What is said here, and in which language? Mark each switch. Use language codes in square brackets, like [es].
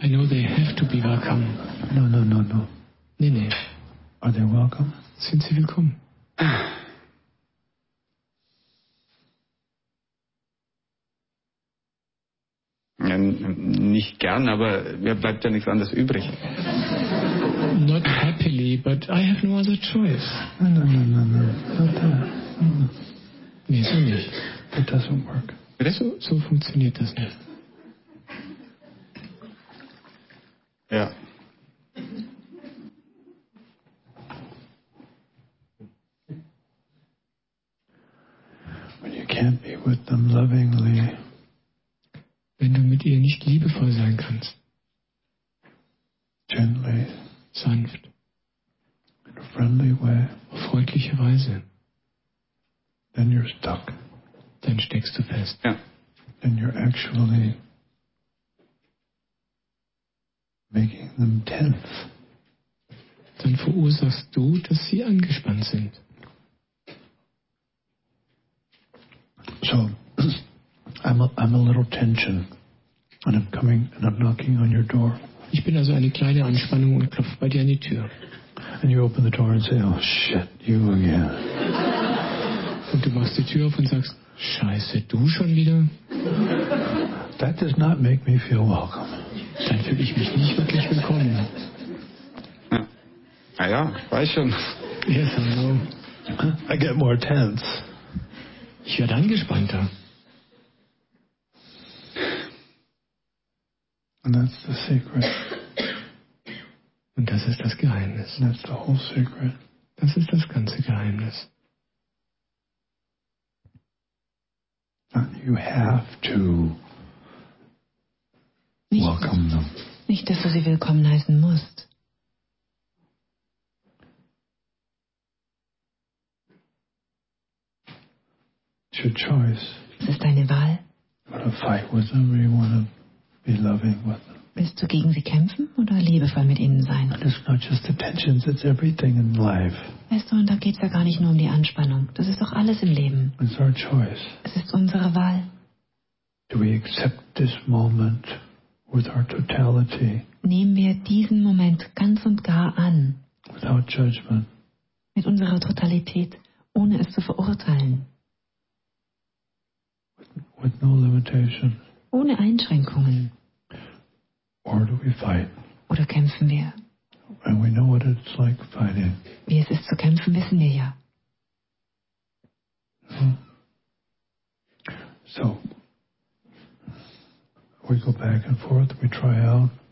[en] I know they have to be welcome. No. [de] Nee. [en] Are they welcome? [de] Sind Sie willkommen? Ja, nicht gern, aber mir bleibt ja nichts anderes übrig. [en] Not happily, but I have no other choice. No. Not that. [de] Nee, so nicht. [en] That doesn't work. [de] So funktioniert das nicht. Ja. [en] Can't be with them lovingly. [de] Wenn du mit ihr nicht liebevoll sein kannst. [en] Gently. [de] Sanft. [en] In a friendly way. [de] Auf freundliche Weise. [en] Then you're stuck. [de] Dann steckst du fest. [en] Yeah. Then you're actually making them tense. [de] Dann verursachst du, dass sie angespannt sind. [en] So, I'm a little tension, and I'm coming and I'm knocking on your door. [de] Ich bin also eine kleine Anspannung und klopfe bei dir an die Tür. [en] And you open the door and say, oh shit, you again. [de] Und du machst die Tür auf und sagst, scheiße, du schon wieder. [en] That does not make me feel welcome. [de] Dann fühle ich mich nicht wirklich willkommen. Na ja, weiß schon. [en] Yes, I know. I get more tense. [de] Ich werde angespannter. [en] And that's the secret. [de] Und das ist das Geheimnis. [en] And that's the whole secret. [de] Das ist das ganze Geheimnis. [en] You have to welcome them. [de] Nicht, dass du sie willkommen heißen musst. [en] Your choice. [de] Es ist deine Wahl. [en] Want to fight with them or you want to be loving with them? [de] Willst du gegen sie kämpfen oder liebevoll mit ihnen sein? [en] And it's not just the tensions, it's everything in life. [de] Weißt du, und da geht's ja gar nicht nur um die Anspannung. Das ist doch alles im Leben. [en] It's our choice. [de] Es ist unsere Wahl. [en] Do we accept this moment with our totality? [de] Nehmen wir diesen Moment ganz und gar an. [en] Without judgment. [de] Mit unserer Totalität, ohne es zu verurteilen. [en] with no limitation? [de] Ohne Einschränkungen. [en] Or do we fight? [de] Oder kämpfen wir? [en] And we know what it's like fighting. [de] Wie es ist zu kämpfen, wissen wir ja. [en] So we go back and forth, we try out.